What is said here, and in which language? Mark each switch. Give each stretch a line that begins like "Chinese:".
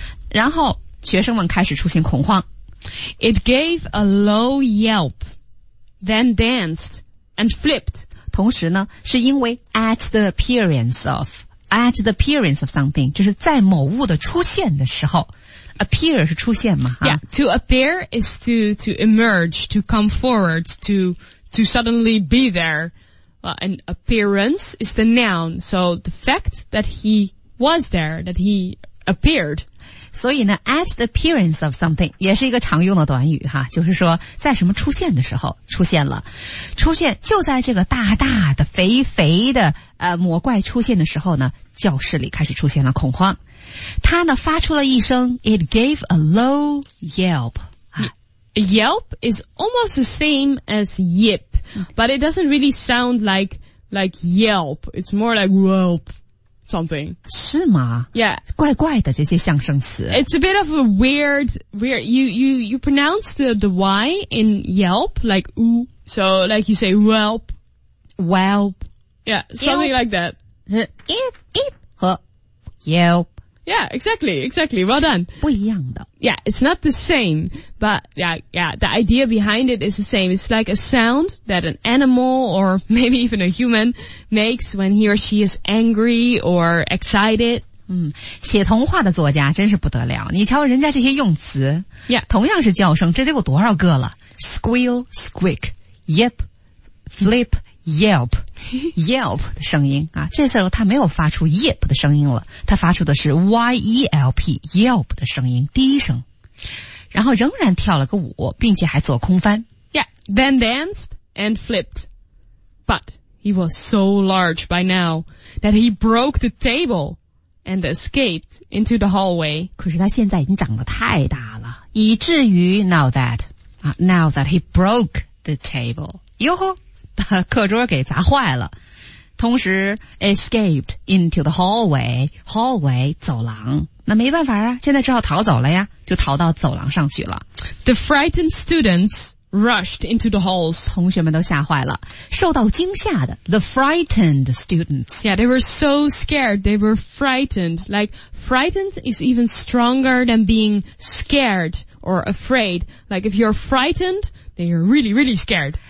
Chinese: 然后学生们开始出现恐慌。
English: It gave a low yelp, then danced and flipped.
Chinese: 同时呢，是因为
English: at the appearance of something,
Chinese: 就是在某物的出现的时候。 Appear 是出现嘛。
English: Yeah, to appear is to emerge, to come forward, to suddenly be there. Well, an appearance is the noun. So the fact that he was there, that he appeared.
Chinese: 所以呢
English: at the appearance of something
Chinese: 也是一个常用的短语哈，就是说在什么出现的时候出现了，出现就在这个大大的肥肥的魔怪出现的时候呢，教室里开始出现了恐慌，他呢发出了一声
English: it gave a low yelp。 Yelp is almost the same as yip, but it doesn't really sound like yelp. It's more like whelp something.
Chinese: 是吗？
English: Yeah.
Chinese: 怪怪的这些象声词。
English: It's a bit of a weird, you pronounce the Y in yelp, like oo. So like you say whelp. Whelp. Yeah, something yelp. Like that. Yip, yip, 和 yelp. Yeah, exactly. Well done.
Chinese: 不一样的。
English: Yeah, it's not the same, but yeah, the idea behind it is the same. It's like a sound that an animal or maybe even a human makes when he or she is angry or excited.
Chinese: 写童话的作家真是不得了。你瞧人家这些用词。
English: Yeah.
Chinese: 同样是叫声，这得有多少个了。
English: Squeal, squeak, yip, flip, yelp.
Chinese: Yelp 的声音啊，这次他没有发出 Yip 的声音了，他发出的是 Y-E-L-P Yelp 的声音，第一声，然后仍然跳了个舞，并且还做空翻。
English: Yeah, then danced and flipped. But he was so large by now that he broke the table and escaped into the hallway.
Chinese: 可是他现在已经长得太大了，以至于
English: now that he broke the table.
Chinese: 哟吼，把课桌给砸坏了，同时
English: escaped into the hallway
Chinese: 走廊，那没办法啊，现在只好逃走了呀，就逃到走廊上去了。
English: The frightened students rushed into the halls.
Chinese: 同学们都吓坏了，受到惊吓的
English: the frightened students. Yeah, they were so scared, they were frightened. Like, frightened is even stronger than being scared or afraid. Like, if you're frightened,They are really, really scared.